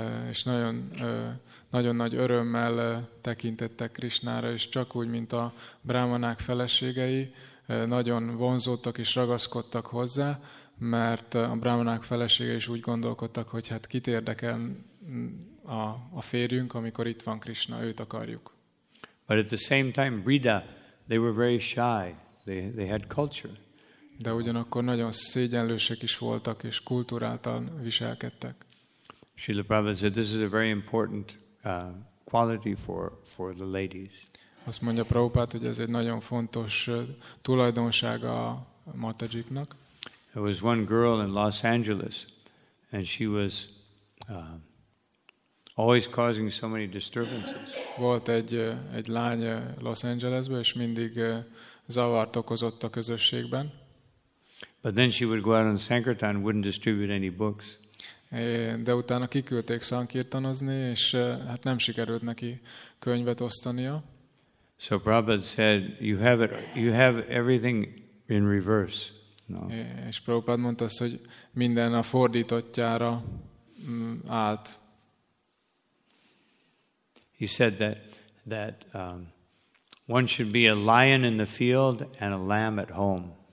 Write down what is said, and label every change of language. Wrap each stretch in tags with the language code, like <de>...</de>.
<hu>És nagyon nagy örömmel tekintettek Krishnára, és csak úgy, mint a brahmanák feleségei, nagyon vonzódtak és ragaszkodtak hozzá, mert a brahmanák feleségei is úgy gondolkodtak, hogy hát kit érdekel a férjünk, amikor itt van Krishna, őt akarjuk.</hu> <en>But at the same time, Brida, they were very shy. They had culture.</en> <hu>De ugyanakkor nagyon szégyenlősek is voltak, és kulturáltan viselkedtek.</hu> <en>Srila Prabhupada said, this is a very important quality for the ladies.</en> <hu>Azt mondja Prabhupada, hogy ez egy nagyon fontos tulajdonsága a matajiknak.</hu> <en>There was one girl in Los Angeles, and she was always causing so many disturbances.</en> <hu>Volt egy lány Los Angelesben, és mindig zavart okozott a közösségben.</hu> <en>But then she would go out on Sankirtan, wouldn't distribute any books.</en> <hu>De utána kiküldték szankirtanozni, és hát nem sikerült neki könyvet osztania.</hu> <en>So Prabhupada said, you have everything in reverse. No.</en> <hu>És Prabhupada mondta azt, hogy minden a fordítottjára állt.</hu> <en>He said that one should be a lion in the field and a lamb at home.</en>